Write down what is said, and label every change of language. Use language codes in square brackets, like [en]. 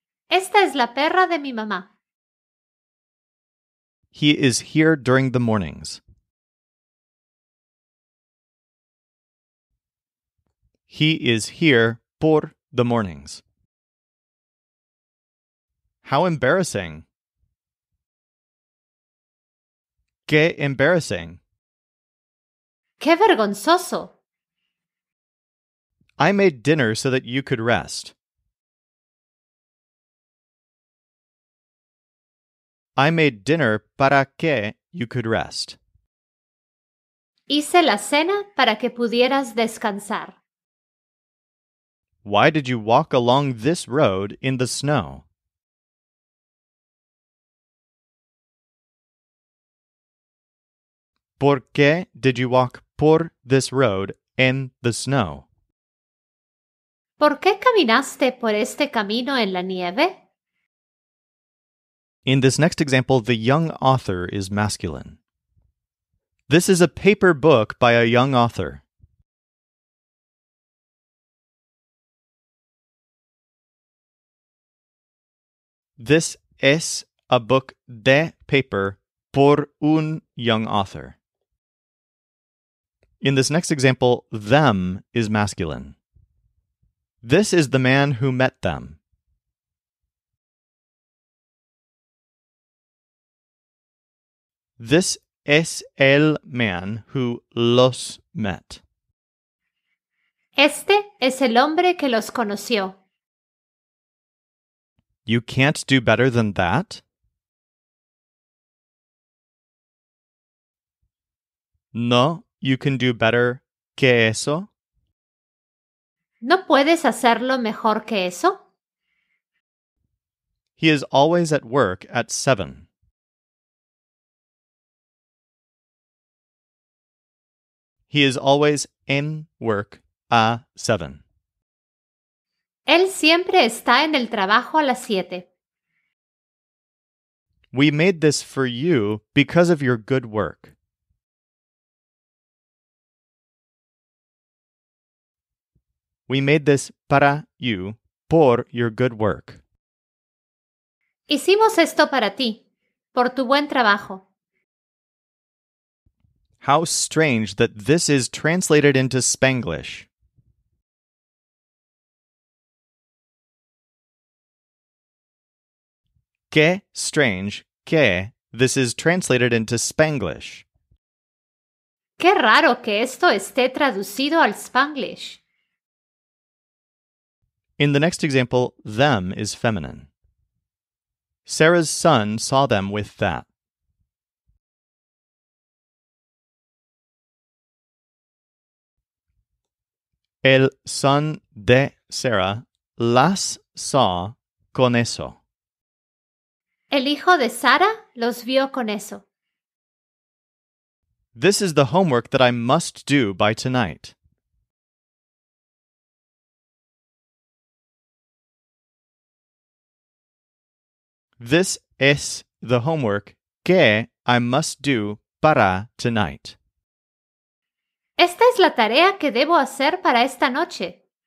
[es] Esta es la perra de mi mamá. [en] He is here during the mornings. He is here por the mornings. How embarrassing. [es] Qué embarrassing. Qué vergonzoso. [en] I made dinner so that you could rest. I made dinner para que you could rest. [es] Hice la cena para que pudieras descansar. [en] Why did you walk along this road in the snow? ¿Por qué did you walk por this road in the snow? [es] ¿Por qué caminaste por este camino en la nieve? [en] In this next example, the young author is masculine. This is a paper book by a young author. This es a book de paper por un young author. In this next example, them is masculine. This is the man who met them. This es el man who los met. [es] Este es el hombre que los conoció. [en] You can't do better than that. No, you can do better que eso. [es] ¿No puedes hacerlo mejor que eso? [en] He is always at work at 7. He is always in work a 7. [es] Él siempre está en el trabajo a las 7. [en] We made this for you because of your good work. We made this para you por your good work. [es] Hicimos esto para ti, por tu buen trabajo. [en] How strange that this is translated into Spanglish. Qué strange que this is translated into Spanglish. [es] Qué raro que esto esté traducido al Spanglish. [en] In the next example, them is feminine. Sarah's son saw them with that. [es] El son de Sarah las saw con eso. El hijo de Sara los vio con eso. [en] This is the homework that I must do by tonight. This is the homework que I must do para tonight. [es] Esta es la tarea que debo hacer para esta noche.